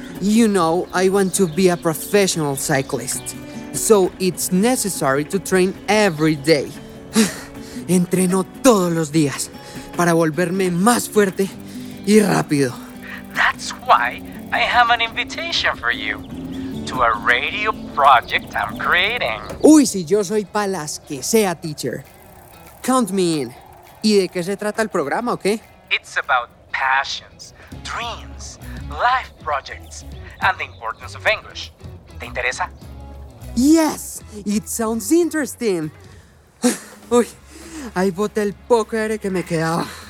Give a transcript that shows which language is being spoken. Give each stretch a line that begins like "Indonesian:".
English: You know, I want to be a professional cyclist. So it's necessary to train every day.
Spanish: Entreno todos los días para volverme más fuerte y rápido.
English: That's why I have an invitation for you to a radio project I'm creating.
Spanish: Uy, si yo soy pa' las que sea, teacher.
English: Count me in.
Spanish: ¿Y de qué se trata el programa o qué?
English: It's about passions, dreams, life projects, and the importance of English.
Spanish: ¿Te interesa?
English: Yes, it sounds interesting.
Spanish: Uy, ahí boté el poco aire que me quedaba.